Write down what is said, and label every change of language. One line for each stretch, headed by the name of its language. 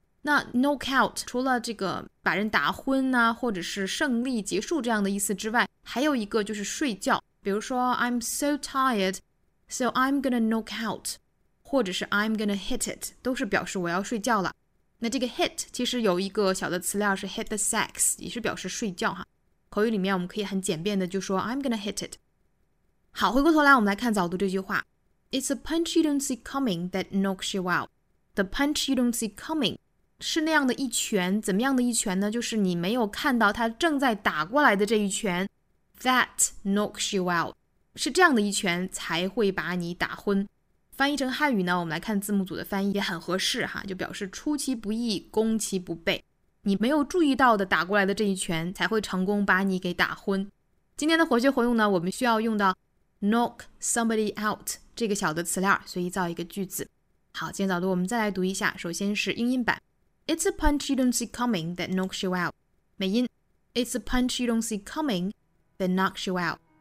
Chinese: 那 knock out 除了这个把人打昏啊，或者是胜利结束这样的意思之外，还有一个就是睡觉，比如说
English: I'm so tired so I'm gonna knock out,
Chinese: 或者是
English: I'm gonna hit it,
Chinese: 都是表示我要睡觉了。那这个 hit 其实有一个小的词料是 hit the sex, 也是表示睡觉哈。口语里面我们可以很简便的就说
English: I'm gonna hit it。
Chinese: 好，回过头来我们来看早读这句话。
English: It's a punch you don't see coming that knocks you out. The punch you don't see coming
Chinese: 是那样的一拳，怎么样的一拳呢，就是你没有看到他正在打过来的这一拳，
English: That knocks you out
Chinese: 是这样的一拳才会把你打昏。翻译成汉语呢，我们来看字幕组的翻译也很合适哈，就表示出其不意攻其不备，你没有注意到的打过来的这一拳才会成功把你给打昏。今天的活学活用呢，我们需要用到 knock somebody out 这个小的词料，随意造一个句子。好，今天早读我们再来读一下，首先是英音版。
English: It's a punch you don't see coming that knocks you out. 美音 It's a punch you don't see coming that knocks you out.